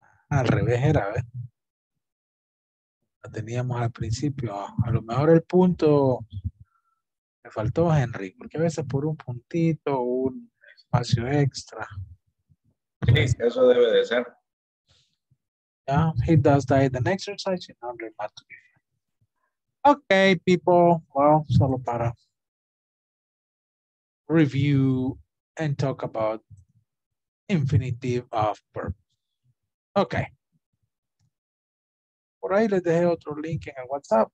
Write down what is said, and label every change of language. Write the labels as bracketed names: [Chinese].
[Spanish] Al revés era, ¿eh? La teníamos al principio. A lo mejor el punto me faltó, Henry, porque a veces por un puntito, un espacio extra. Sí, eso debe de ser. [English] Yeah, he does diet and exercise in order not to be fat. Okay, people, well, [Spanish] solo para [English] review and talk about infinitive of purpose. Okay. [Spanish] Por ahí les dejé otro link en el WhatsApp.